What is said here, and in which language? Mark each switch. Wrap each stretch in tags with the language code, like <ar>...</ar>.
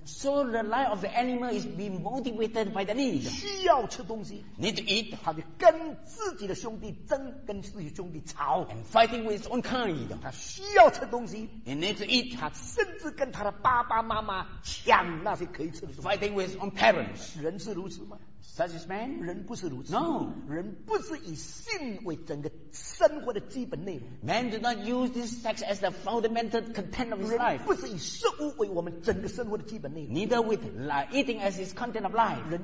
<en>So the life of the animal is being motivated by the need.</en> <zh>需要吃东西,</zh> <en>need to eat.</en> <zh>他就跟自己的兄弟争, 跟自己兄弟吵,</zh> <en>and fighting with his own kind.</en> <zh>他需要吃东西,</zh> <en>he need to eat.</en> <zh>他甚至跟他的爸爸妈妈抢那些可以吃的东西,</zh> <en>fighting with his own parents.</en> <zh>人是如此吗?</zh> <en>Such is man.</en> <zh>人不是如此,</zh> <en>no.</en> <zh>人不是以性为整个生活的基本内容,</zh> <en>man does not use this sex as the fundamental content of his life.</en> <zh>人不是以食物为我们整个生活的基本内容,</zh> <en>neither with eating as his content of life.</en>